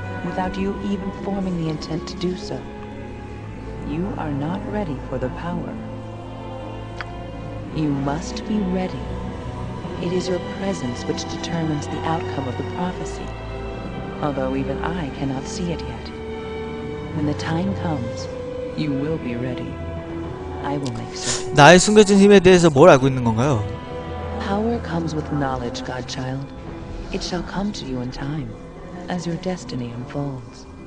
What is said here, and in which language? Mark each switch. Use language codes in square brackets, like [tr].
[en] without you even forming the intent to do so. You are not ready for the power. You must be ready. It is your presence which determines the outcome of the prophecy. Although even I cannot see it yet. When the time comes, you will be ready. I will make certain. [ko] 나의 숨겨진 힘에 대해서 뭘 알고 있는 건가요? [en] Power comes with knowledge, Godchild. It shall come to you in time, as your destiny unfolds.